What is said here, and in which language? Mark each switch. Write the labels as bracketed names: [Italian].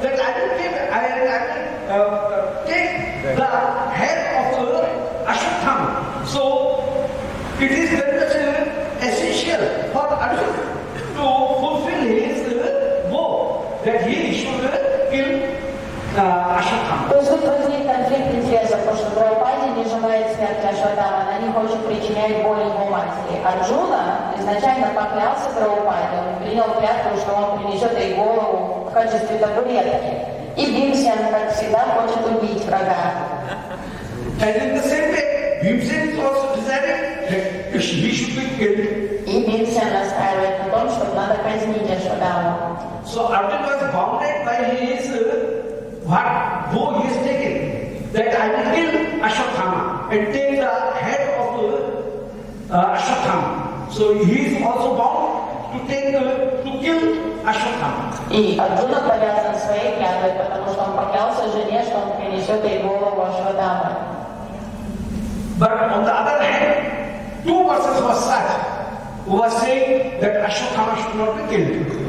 [English] That I will take the head of Ashwatthama. So it is very much essential for Arjuna to fulfill his vow that he should kill Ashwatthama. [Russian] То есть тут возник конфликт интересов, потому что Драупади не желает смерти Ашватама, она не хочет причинять боль его матери. Арджуна изначально поклялся Драупади, он принял клятву, что он принесет ей голову в качестве табуретки. И Бхимсена, как всегда, хочет убить врага. [English] Bhimsena is also desiring that he should be killed. [Russian] И Бхимсена настаивает на том, что надо казнить Ашватаму. [English] So Arjuna was bounded by his what bow he is taking, that I will kill Ashwatthama and take the head of Ashwatthama. So he is also bound to kill Ашватама. [Russian] И Арджуна повязан своей клятвой, потому что он поклялся жене, что он принесет ей голову Ашватама. [English] But on the other hand, two verses was such, who was saying that Ashwatthama should not be killed.